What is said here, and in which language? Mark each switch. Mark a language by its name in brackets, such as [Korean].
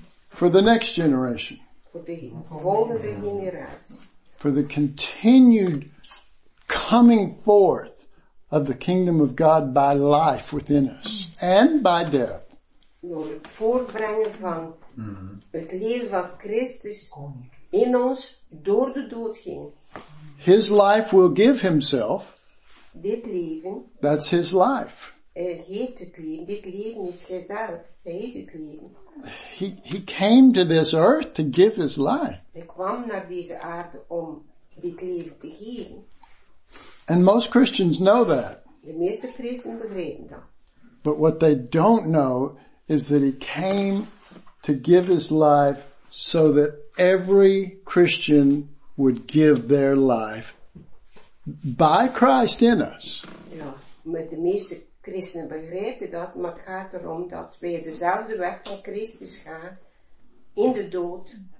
[English] For the next generation. For the continued coming forth of the kingdom of God by life within us and by death. [Dutch] Door het voortbrengen van het leven van Christus in ons door de dood heen. [English] His life will give himself. [Dutch] Dit leven. [English] That's his life. [Dutch] Hij heeft het leven. Dit leven is hijzelf. Hij is het leven. [English] He came to this earth to give his life. [Dutch] Hij kwam naar deze aarde om dit leven te geven. [English] And most Christians know that. [Dutch] De meeste christenen begrepen dat. [English] But what they don't know is that he came to give his life so that every Christian would give their life by Christ in us. [Dutch] Ja, maar de meeste christenen begrepen dat, maar het gaat erom dat wij dezelfde weg van Christus gaan in de dood.